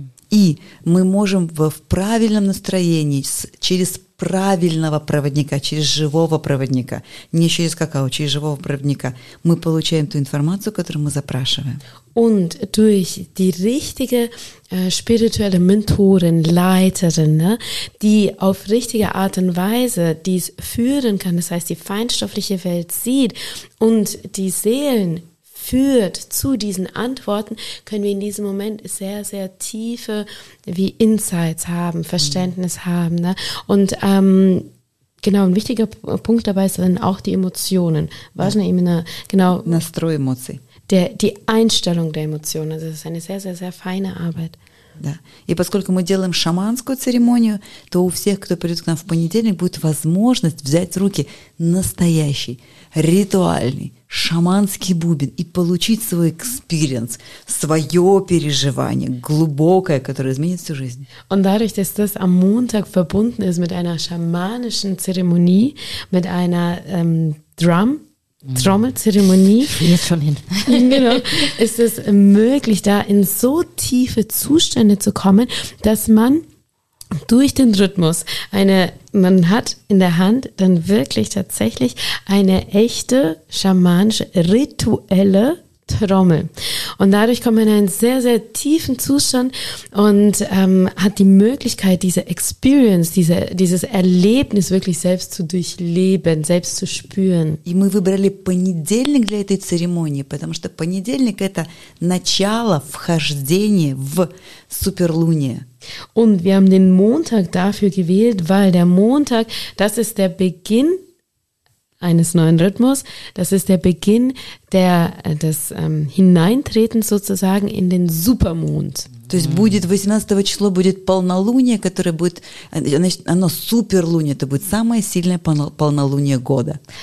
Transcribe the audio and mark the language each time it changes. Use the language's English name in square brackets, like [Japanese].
[Russian] И мы можем в правильном настроении, через правильного проводника, через живого проводника, не через какао, через живого проводника, мы получаем ту информацию, которую мы запрашиваем. [German] Und durch die richtige spirituelle Mentorin, Leiterin, ne, die auf richtige Art und Weise dies führen kann, das heißt die feinstoffliche Welt sieht und die Seelen führt zu diesen Antworten, können wir in diesem Moment sehr, sehr tiefe wie Insights haben, Verständnis haben. Ne? Und genau, ein wichtiger Punkt dabei ist dann auch die Emotionen. Die Einstellung der Emotionen. Also das ist eine sehr, sehr, sehr feine Arbeit. [Russian] Да. И поскольку мы делаем шаманскую церемонию, то у всех, кто придет к нам в понедельник, будет возможность взять в руки настоящий, ритуальный, шаманский бубен и получить свой экспириенс, свое переживание, глубокое, которое изменит всю жизнь. [German] Und dadurch, dass das am Montag verbunden ist mit einer schamanischen Zeremonie, mit einer Trommelzeremonie. Jetzt schon hin. Genau. Ist es möglich, da in so tiefe Zustände zu kommen, dass man durch den Rhythmus man hat in der Hand dann wirklich tatsächlich eine echte schamanische rituelle Trommel. Und dadurch kommt man in einen sehr, sehr tiefen Zustand und hat die Möglichkeit, diese Experience, dieses Erlebnis wirklich selbst zu durchleben, selbst zu spüren. [Russian] И мы выбрали понедельник для этой церемонии, потому что понедельник – это начало вхождения в суперлуние. [German] Und wir haben den Montag dafür gewählt, weil der Montag, das ist der Beginn eines neuen Rhythmus, das ist der Beginn des Hineintretens sozusagen in den Supermond. [Russian] То есть будет 18 число будет полнолуние, которое будет, оно суперлуние, это будет самое сильное полнолуние года.